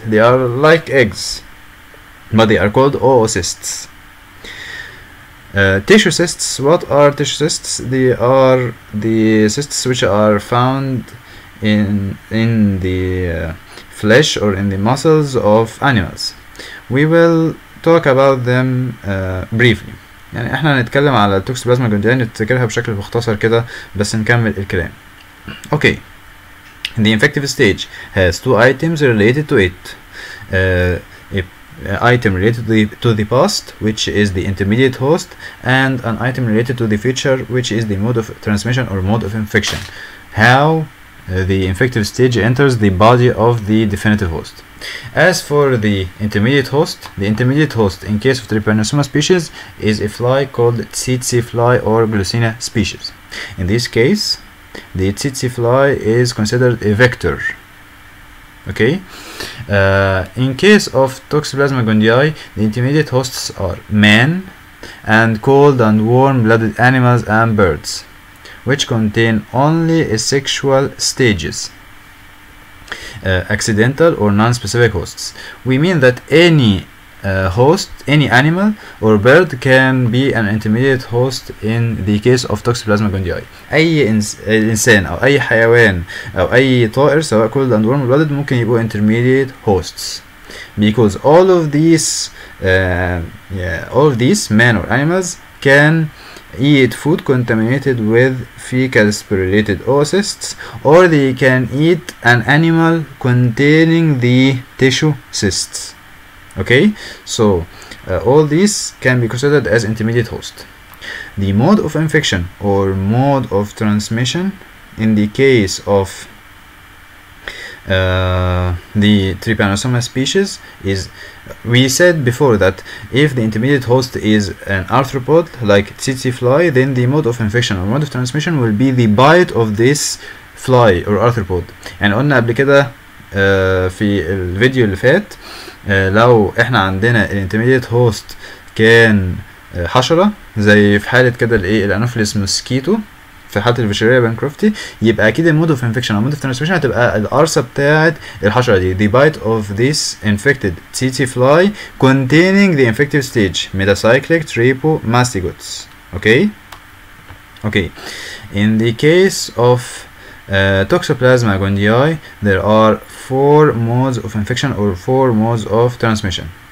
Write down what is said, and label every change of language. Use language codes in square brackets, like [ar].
[en] They are like eggs, but they are called oocysts. Tissue cysts. What are tissue cysts? They are the cysts which are found in the flesh or in the muscles of animals. We will talk about them briefly. [ar] يعني احنا هنتكلم على التوكسوبلازما جونديا نتذكرها بشكل مختصر كده بس نكمل الكلام. [en] Okay. The infective stage has two items related to it. Item related to the past, which is the intermediate host, and an item related to the future, which is the mode of transmission or mode of infection. How the infective stage enters the body of the definitive host. As for the intermediate host in case of Trypanosoma species is a fly called tsetse fly or Glossina species. In this case, the tsetse fly is considered a vector. Okay? In case of Toxoplasma gondii, the intermediate hosts are man and cold and warm-blooded animals and birds, which contain only asexual stages, accidental or non-specific hosts. We mean that any host, any animal or bird can be an intermediate host in the case of Toxoplasma gondii. [ar] أي إنسان أو أي حيوان أو أي طائر سواء [en] cold and warm blooded [ar] ممكن يبقوا [en] intermediate hosts. Because all of these men or animals can eat food contaminated with fecal spirillated oocysts, or they can eat an animal containing the tissue cysts. Okay, so all these can be considered as intermediate host. The mode of infection or mode of transmission in the case of the Trypanosoma species is, we said before that if the intermediate host is an arthropod like tsetse fly, then the mode of infection or mode of transmission will be the bite of this fly or arthropod. [ar] And قلنا قبل كده في الفيديو اللي فات، لو احنا عندنا الانترميديت هوست كان حشرة زي في حالة كده الايه الانوفليس موسكيتو في حالة البشرية بانكروفتي، يبقى اكيد المود اوف انفكشن او مود اوف ترانسميشن هتبقى القرصة بتاعة الحشرة دي، [en] the bite of this infected tsetse fly containing the infective stage metacyclic trypomastigotes. Okay. In the case of Toxoplasma gondii, there are four modes of infection or four modes of transmission.